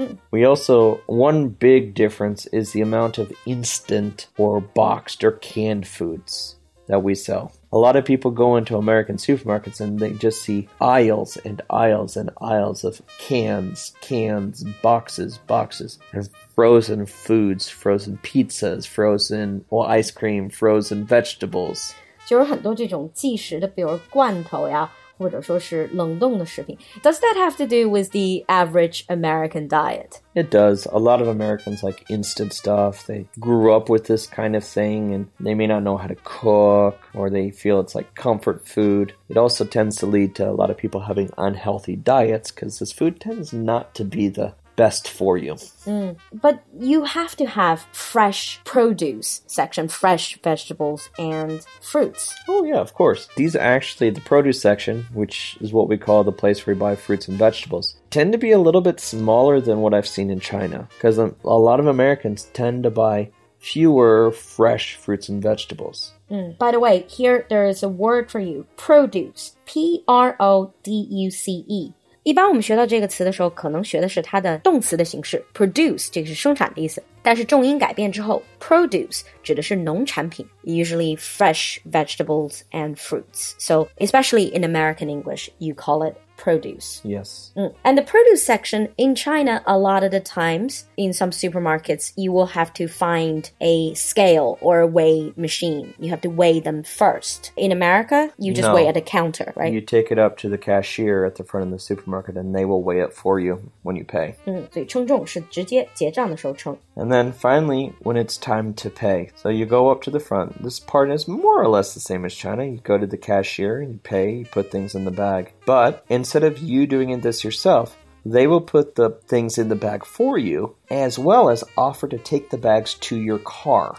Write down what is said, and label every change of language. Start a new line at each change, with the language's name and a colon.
English: We also, one big difference is the amount of instant or boxed or canned foods that we sell. A lot of people go into American supermarkets and they just see aisles and aisles and aisles of cans, boxes, and frozen foods, frozen pizzas, ice cream, frozen vegetables.
Chinese: 就有很多这种即食的，比如罐头呀，或者说是冷冻的食品。
English: Does that have to do with the average American diet? It does. A lot of Americans like instant stuff. They grew up with this kind of thing and they may not know how to cook or they feel it's like comfort food. It also tends to lead to a lot of people having unhealthy diets because this food tends not to be the best for you. But you have to have fresh produce section, fresh vegetables and fruits. Oh yeah, of course. These are actually the produce section, which is what we call the place where you buy fruits and vegetables, tend to be a little bit smaller than what I've seen in China. Because a lot of Americans tend to buy fewer fresh fruits and vegetables. By the way, here there is a word for you, produce, P-R-O-D-U-C-E.
Chinese: 一般我们学到这个词的时候可能学的是它的动词的形式 produce, 这个是生产的意思。但是重音改变之后 produce 指的是农产品
English: usually fresh vegetables and fruits. So especially in American English, you call it produce. Yes. And the produce section in China, a lot of the times in some supermarkets, you will have to find a scale or a weigh machine. You have to weigh them first. In America, you just weigh at the counter, right? You take it up to the cashier at the front of the supermarket and they will weigh it for you when you pay.
Chinese: 所以称重是直接结账的时候称。
English: And then finally, when it's time to pay. So you go up to the front. This part is more or less the same as China. You go to the cashier, you pay, you put things in the bag. But instead of you doing this yourself, they will put the things in the bag for you, as well as offer to take the bags to your car.